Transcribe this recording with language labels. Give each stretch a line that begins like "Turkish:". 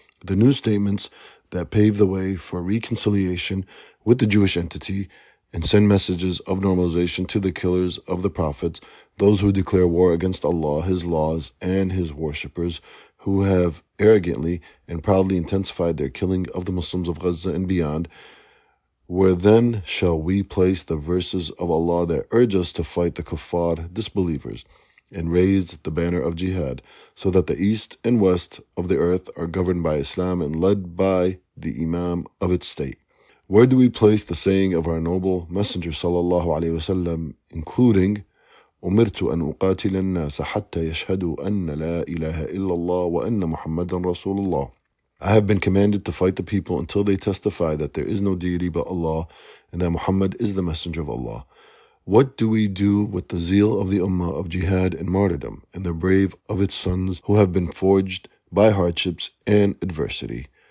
English: The new statements that pave the way for reconciliation with the Jewish entity and send messages of normalization to the killers of the prophets, those who declare war against Allah, His laws, and His worshippers, who have arrogantly and proudly intensified their killing of the Muslims of Gaza and beyond. Where then shall we place the verses of Allah that urge us to fight the kuffar disbelievers and raise the banner of jihad, so that the east and west of the earth are governed by Islam and led by the imam of its state? Where do we place the saying of our noble messenger, sallallahu alaihi wasallam, including,
Arabic: أُمِرْتُ أَنْ أُقَاتِلَ النَّاسَ حَتَّى يَشْهَدُوا أَنَّ لَا إِلَهَ إِلَّا اللَّهُ وَأَنَّ مُحَمَّدًا رَسُولُ اللَّهِ.
English: I have been commanded to fight the people until they testify that there is no deity but Allah and that Muhammad is the messenger of Allah. What do we do with the zeal of the ummah of jihad and martyrdom and the brave of its sons who have been forged by hardships and adversity?